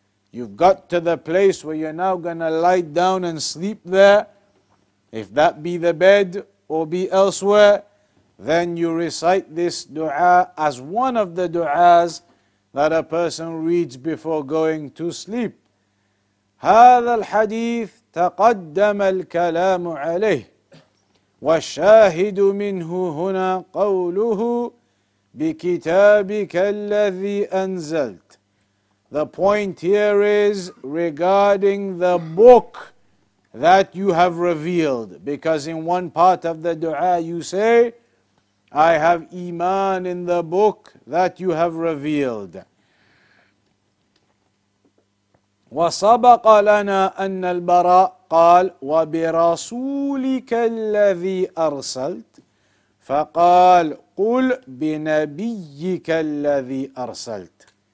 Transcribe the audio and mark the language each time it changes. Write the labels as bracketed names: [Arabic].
[English] You've got to the place where you're now going to lie down and sleep there. If that be the bed or be elsewhere, then you recite this dua as one of the duas that a person reads before going to sleep. [Arabic] هذا الحديث تقدم الكلام عليه والشاهد منه هنا قوله بكتابك الذي أنزلت. [English] The point here is regarding the book that you have revealed. Because in one part of the dua you say, I have iman in the book that you have revealed. [Arabic] وسبق لنا أن البراء قال وبرسولك الذي أرسلت فقال قل بنبيك الذي أرسلت.